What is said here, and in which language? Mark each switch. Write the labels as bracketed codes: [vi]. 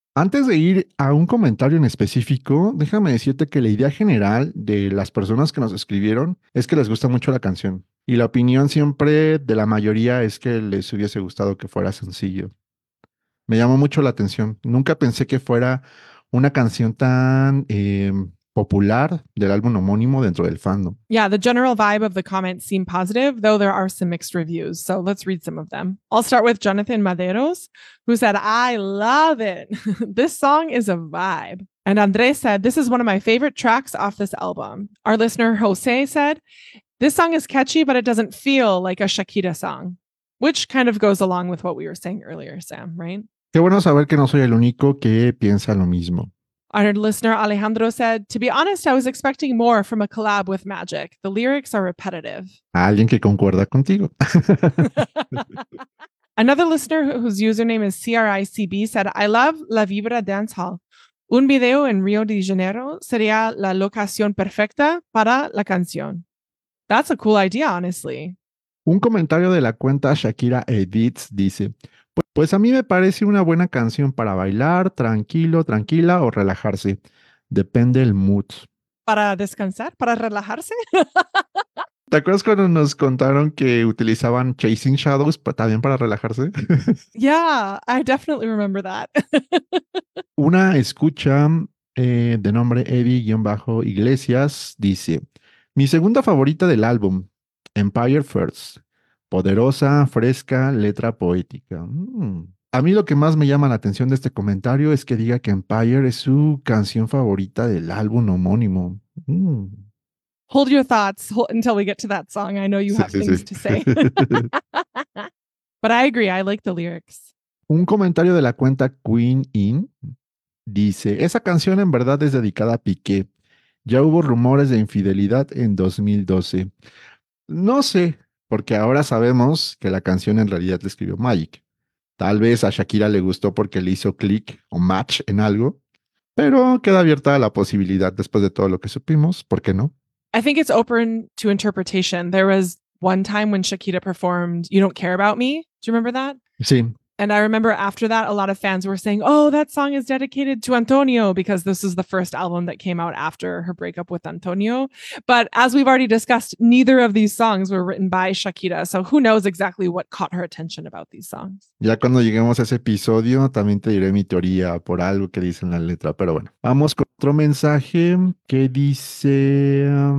[es] Antes de ir a un comentario en específico, déjame decirte que la idea general de las personas que nos escribieron es que les gusta mucho la canción Y la opinión siempre de la mayoría es que les hubiese gustado que fuera sencillo. Me llamó mucho la atención. Nunca pensé que fuera una canción tan popular del álbum homónimo dentro del fandom. [en] Yeah, the general vibe of the comments seem positive, though there are some mixed reviews, so let's read some of them. I'll start with Jonathan Maderos, who said, I love it. This song is a vibe. And Andres said, this is one of my favorite tracks off this album. Our listener Jose said, this song is catchy, but it doesn't feel like a Shakira song, which kind of goes along with what we were saying earlier, Sam, right? [es] Qué bueno saber que no soy el único que piensa lo mismo. [en] Our listener Alejandro said, to be honest, I was expecting more from a collab with Magic. The lyrics are repetitive. [es] Alguien que concuerda contigo. [en] Another listener whose username is CRICB said, I love [es] La Vibra [en] Dancehall. [es] Un video en Rio de Janeiro sería la locación perfecta para la canción. [en] That's a cool idea, honestly. [es] Un comentario de la cuenta Shakira Edits dice, pues a mí me parece una buena canción para bailar, tranquilo, tranquila o relajarse. Depende el mood. ¿Para descansar? ¿Para relajarse? ¿Te acuerdas cuando nos contaron que utilizaban Chasing Shadows también para relajarse? [en] Yeah, I definitely remember that. [es] Una escucha de nombre Eddie-Iglesias dice, mi segunda favorita del álbum, Empire First. Poderosa, fresca, letra poética. A mí lo que más me llama la atención de este comentario es que diga que Empire es su canción favorita del álbum homónimo. [en] Hold your thoughts until we get to that song. I know you have things to say. But I agree, I like the lyrics. [es] Un comentario de la cuenta Queen In dice, esa canción en verdad es dedicada a Piqué. Ya hubo rumores de infidelidad en 2012. No sé, porque ahora sabemos que la canción en realidad la escribió Magic. Tal vez a Shakira le gustó porque le hizo click o match en algo, pero queda abierta la posibilidad después de todo lo que supimos. ¿Por qué no? [en] I think it's open to interpretation. There was one time when Shakira performed You Don't Care About Me. Do you remember that? [es] Sí. [en] And I remember after that, a lot of fans were saying, oh, that song is dedicated to Antonio, because this is the first album that came out after her breakup with Antonio. But as we've already discussed, neither of these songs were written by Shakira. So who knows exactly what caught her attention about these songs. [es] Ya cuando lleguemos a ese episodio, también te diré mi teoría por algo que dice en la letra. Pero bueno, vamos con otro mensaje que dice...